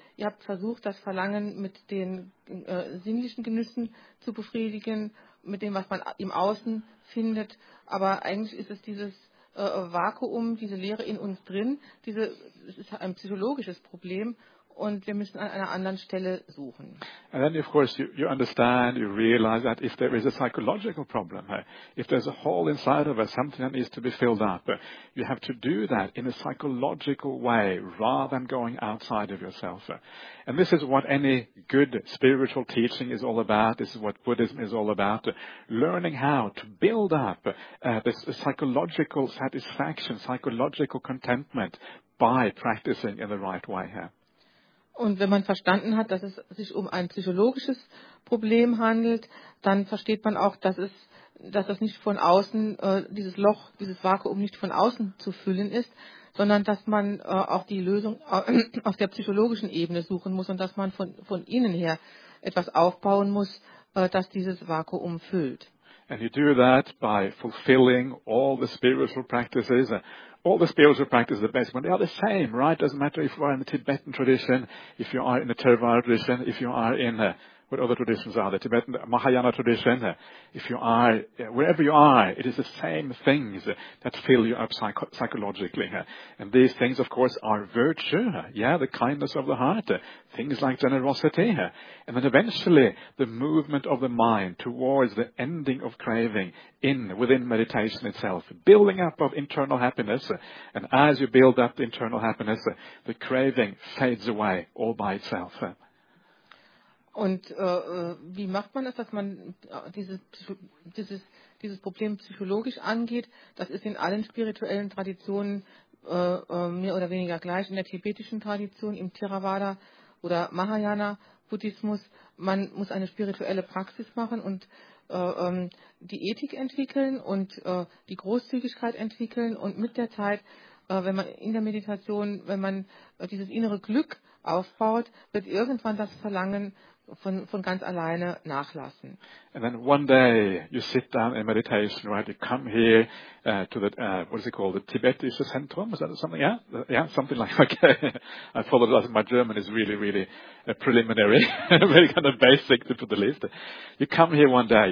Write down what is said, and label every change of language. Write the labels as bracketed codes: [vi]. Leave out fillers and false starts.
[de] Ihr habt versucht, das Verlangen mit den sinnlichen Genüssen zu befriedigen, mit dem, was man im Außen findet. Aber eigentlich ist es dieses Vakuum, diese Leere in uns drin. Es ist ein psychologisches Problem. und wir müssen an einer anderen Stelle suchen. [en] And then of course you understand, you realize that if there is a psychological problem, if there's a hole inside of us, something that needs to be filled up, you have to do that in a psychological way rather than going outside of yourself. And this is what any good spiritual teaching is all about. This is what Buddhism is all about. Learning how to build up this psychological satisfaction, psychological contentment by practicing in the right way. [de] Und wenn man verstanden hat, dass es sich um ein psychologisches Problem handelt, dann versteht man auch, dass das nicht von außen, dieses Loch, dieses Vakuum nicht von außen zu füllen ist, sondern dass man auch die Lösung auf der psychologischen Ebene suchen muss und dass man von innen her etwas aufbauen muss, das dieses Vakuum füllt. [en] And you do that by fulfilling all the spiritual practices. All the spiritual practices are basically, they are the same, right? Doesn't matter if you are in the Tibetan tradition, if you are in the Theravada tradition, if you are in what other traditions are, the Tibetan Mahayana tradition, if you are, wherever you are, it is the same things that fill you up psychologically. And these things, of course, are virtue, the kindness of the heart, things like generosity. And then eventually, the movement of the mind towards the ending of craving within meditation itself, building up of internal happiness. And as you build up the internal happiness, the craving fades away all by itself. [de] Und wie macht man das, dass man dieses Problem psychologisch angeht? Das ist in allen spirituellen Traditionen mehr oder weniger gleich. In der tibetischen Tradition, im Theravada oder Mahayana Buddhismus, man muss eine spirituelle Praxis machen und die Ethik entwickeln und die Großzügigkeit entwickeln. Und mit der Zeit, wenn man in der Meditation, wenn man dieses innere Glück aufbaut, wird irgendwann das Verlangen von ganz alleine nachlassen. [en] And then one day you sit down in meditation, right? You come here to the what is it called? The Tibetische Zentrum? Is that something? Yeah, something like. Okay, I followed it. My German is really, really preliminary, really kind of basic to the least. You come here one day.